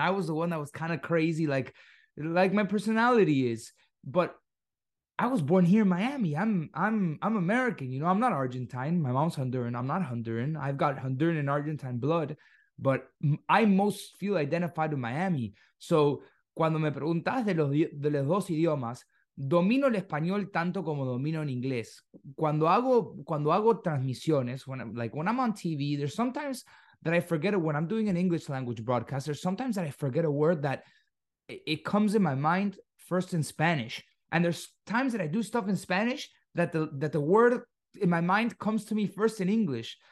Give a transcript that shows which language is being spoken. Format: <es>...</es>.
<en>I was the one that was kind of crazy, like my personality is. But I was born here in Miami. I'm American, you know. I'm not Argentine. My mom's Honduran. I'm not Honduran. I've got Honduran and Argentine blood, but I most feel identified with Miami.</en> <es>So, cuando me preguntas de los dos idiomas, domino el español tanto como domino en inglés. Cuando hago transmisiones,</es> <en>when I'm on TV, there's sometimes that I forget it. When I'm doing an English language broadcast, there's sometimes that I forget a word that it comes in my mind first in Spanish. And there's times that I do stuff in Spanish that the word in my mind comes to me first in English.</en>